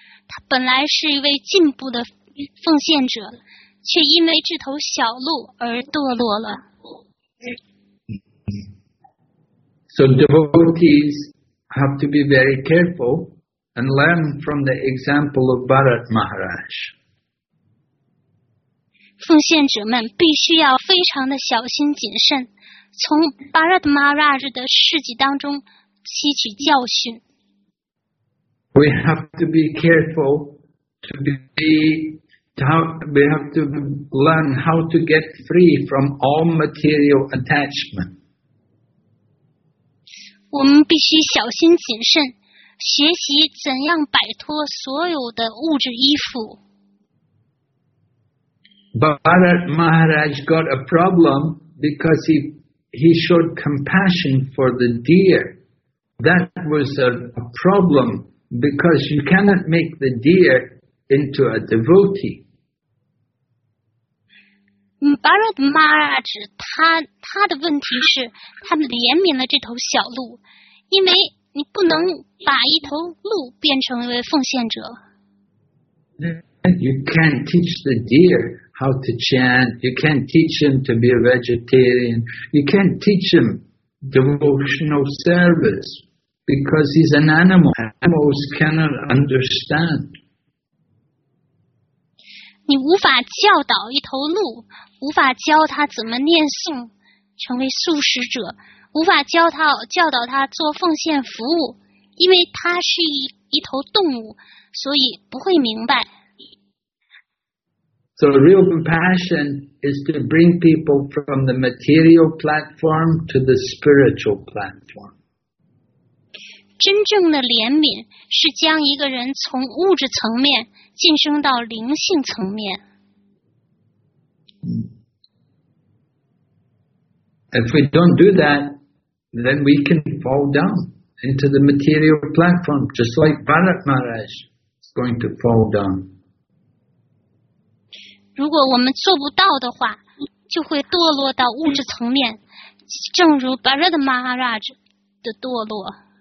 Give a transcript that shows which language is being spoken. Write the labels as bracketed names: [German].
[Chinese] 他本来是一位进步的奉献者，却因为这头小鹿而堕落了。 [English] So devotees have to be very careful and learn from the example of Bharat Maharaj. [Chinese] 奉献者们必须要非常的小心谨慎，从 Bharat Maharaj 的事迹当中吸取教训。 [English] We have to be careful we have to learn how to get free from all material attachment. [Chinese] 我们必须小心谨慎，学习怎样摆脱所有的物质依附。 [English] Bharat Maharaj got a problem because he showed compassion for the deer. That was a problem because you cannot make the deer into a devotee. [Chinese] Bharat Maharaj 他的问题是，他怜悯了这头小鹿。因为你不能把一头鹿变成为奉献者。 [English] You can't teach the deer how to chant. You can't teach him to be a vegetarian. You can't teach him devotional service because he's an animal. Animals cannot understand. [Chinese] 你无法教导一头鹿，无法教他怎么念诵，成为素食者。无法教导他做奉献服务，因为他是一头动物，所以不会明白。 [English] So real compassion is to bring people from the material platform to the spiritual platform. [Chinese] 真正的怜悯是将一个人从物质层面晋升到灵性层面。 [English] If we don't do that, then we can fall down into the material platform, just like Bharat Maharaj is going to fall down. [Chinese] 如果我们做不到的话，就会堕落到物质层面，正如 Bharat Maharaj 的堕落。